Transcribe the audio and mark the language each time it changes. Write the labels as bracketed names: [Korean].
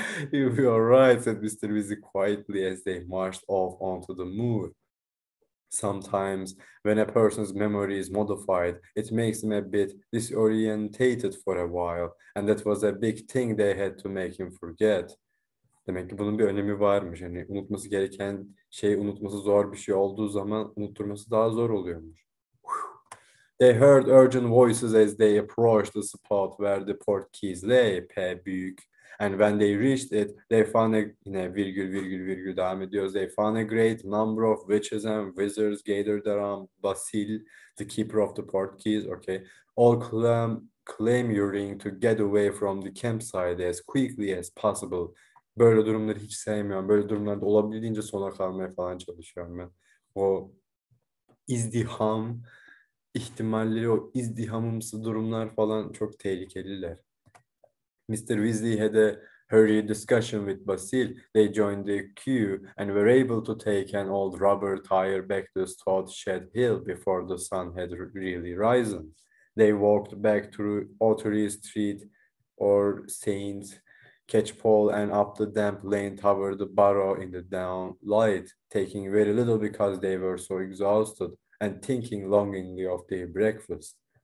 [English] You'll be all right, said Mr. Weasley quietly as they marched off onto the moor. Sometimes, when a person's memory is modified, it makes them a bit disorientated for a while, and that was a big thing they had to make him forget. [Turkish] Demek ki bunun bir önemi varmış. Yani unutması gereken şey unutması zor bir şey olduğu zaman unutturması daha zor oluyormuş. [English] They heard urgent voices as they approached the spot where the portkeys lay. [Turkish] P büyük. [English] And when they reached it, they found a, [Turkish] yine virgül virgül virgül devam ediyoruz. [English] They found a great number of witches and wizards gathered around Basil, the keeper of the portkeys. Okay. All claim your ring to get away from the campsite as quickly as possible. [Turkish] Böyle durumları hiç sevmiyorum. Böyle durumlarda olabildiğince sona kalmaya falan çalışıyorum ben. O izdiham ihtimalleri, o izdihamımsı durumlar falan çok tehlikeliler. [English] Mr. Weasley had a hurried discussion with Basil. They joined the queue and were able to take an old rubber tire back to the Stotshed Hill before the sun had really risen. They walked back through Ottery Street or Saint Catch Paul and up the damp lane toward the barrow in the down light, taking very little because they were so exhausted and thinking longingly of their breakfast.